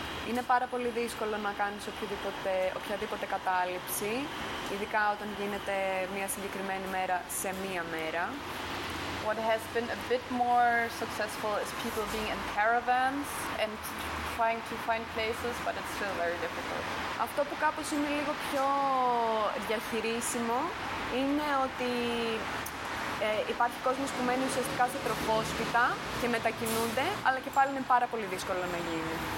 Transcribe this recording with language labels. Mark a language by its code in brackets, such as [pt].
[el] Είναι πάρα πολύ δύσκολο να κάνεις οποιαδήποτε κατάληψη, ειδικά όταν γίνεται μια συγκεκριμένη μέρα σε μία μέρα. [en] What has been a bit more successful is people being in caravans and trying to find places, but it's still very difficult. [el] Αυτό που κάπως είναι λίγο πιο διαχειρίσιμο είναι ότι υπάρχει κόσμος που μένει ουσιαστικά σε τροχόσπιτα και μετακινούνται, αλλά και πάλι είναι πάρα πολύ δύσκολο να γίνει.